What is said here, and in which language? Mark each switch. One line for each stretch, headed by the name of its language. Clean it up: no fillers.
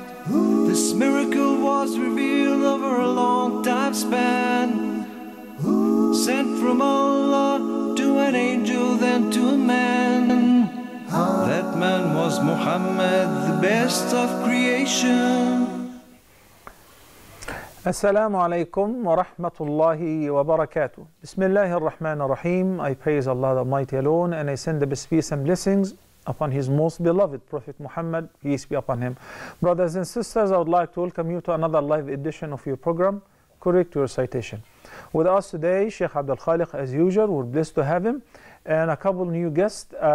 English: This miracle was revealed over a long time span, sent from Allah to an angel then to a man. That man was Muhammad, the best of creation.
Arabic: السلام عليكم ورحمة الله وبركاته. بسم الله الرحمن الرحيم.
English: I praise Allah the Mighty alone, and I send the best peace and blessings upon His most beloved Prophet Muhammad, peace be upon him. Brothers and sisters, I would like to welcome you to another live edition of your program, Correct Your Citation. With us today, Sheikh Abdul Khaliq, as usual, we're blessed to have him, and a couple new guests.